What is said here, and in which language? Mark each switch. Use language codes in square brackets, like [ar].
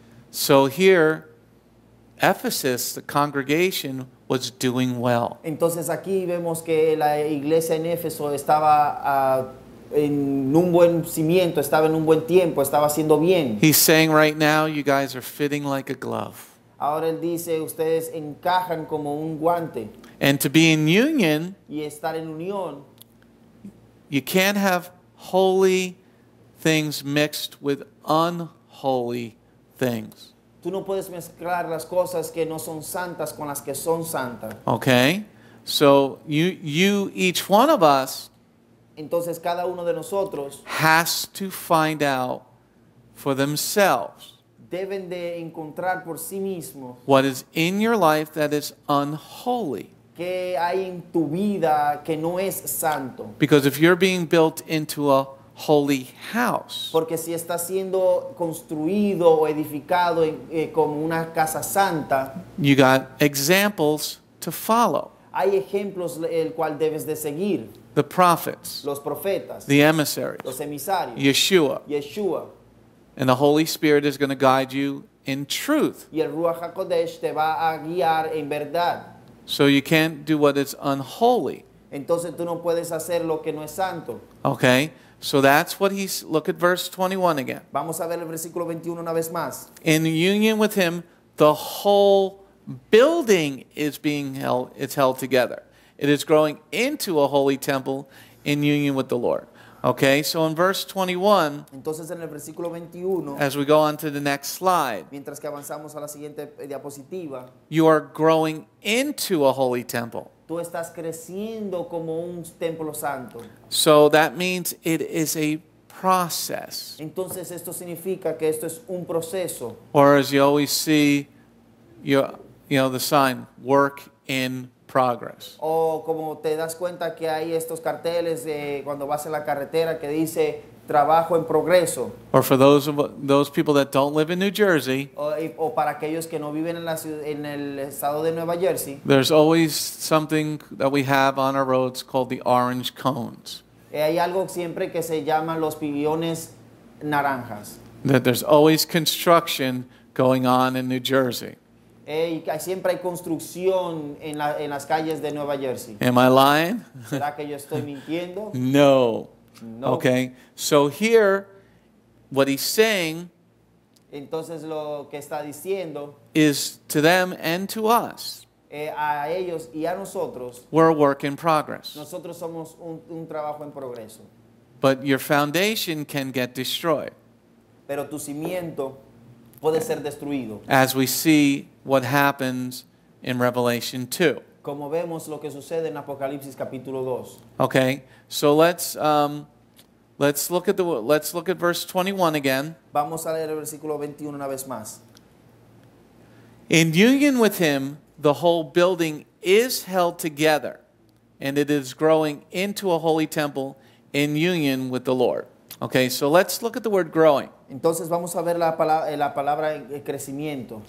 [en] So here, Ephesus, the congregation, was doing well. [es] Entonces aquí vemos que la iglesia en Éfeso estaba en un buen cimiento, estaba en un buen tiempo, estaba haciendo bien. [en] He's saying right now, you guys are fitting like a glove. [es] Ahora él dice, ustedes encajan como un guante. [en] And to be in union, [es] y estar en unión, [en] you can't have holy things mixed with unholy things. [es] Tú no puedes mezclar las cosas que no son santas con las que son santas. [en] Okay. So you each one of us, [es] entonces cada uno de nosotros, [en] has to find out for themselves. [es] Deben de encontrar por sí mismos. [en] What is in your life that is unholy? [es] ¿Qué hay en tu vida que no es santo? [en] Because if you're being built into a holy house. [es] Porque si está siendo construido o edificado como una casa santa. [en] You got examples to follow. [es] Hay ejemplos el cual debes de seguir. [en] The prophets. [es] Los profetas. [en] The emissaries. [es] Los emisarios. [en] Yeshua. [es] Yeshua. [en] And the Holy Spirit is going to guide you in truth. [es] Y el Ruach HaKodesh te va a guiar en verdad. [en] So you can't do what is unholy. [es] Entonces tú no puedes hacer lo que no es santo. [en] Okay. So that's what he's... Look at verse 21 again. [es] Vamos a ver el versículo 21 una vez más. [en] In union with him, the whole building is being held, it's held together. It is growing into a holy temple in union with the Lord. Okay, so in verse 21, [es] entonces en el versículo 21, [en] as we go on to the next slide, [es] mientras que avanzamos a la siguiente diapositiva, [en] you are growing into a holy temple. [es] Tú estás creciendo como un templo santo. [en] So that means it is a process. [es] Entonces esto significa que esto es un proceso. [en] Or as you always see, you know, the sign, work in progress. [es] O como te das cuenta que hay estos carteles de cuando vas en la carretera que dice trabajo en progreso. [en] Or for those people that don't live in New Jersey. [es] O para aquellos que no viven en la ciudad, en el estado de Nueva Jersey. [en] There's always something that we have on our roads called the orange cones. [es] Hay algo siempre que se llama los pibones naranjas. [en] That there's always construction going on in New Jersey. [es] Siempre hay construcción en las calles de Nueva Jersey. [en] Am I lying? [es] ¿Será que yo estoy mintiendo? [en] No. Okay, so here, what he's saying, [es] entonces, lo que está diciendo, [en] is to them and to us, [es] a ellos y a nosotros, [en] we're a work in progress. [es] Nosotros somos un trabajo en progreso. [en] But your foundation can get destroyed. [es] Pero tu cimiento puede ser destruido. [en] As we see what happens in Revelation 2. [es] Como vemos lo que sucede en Apocalipsis capítulo 2. [en] Okay, so let's look at verse 21 again. [es] Vamos a leer el versículo 21 una vez más. [en] In union with him, the whole building is held together, and it is growing into a holy temple in union with the Lord. Okay, so let's look at the word growing. [es] Entonces vamos a ver la palabra crecimiento.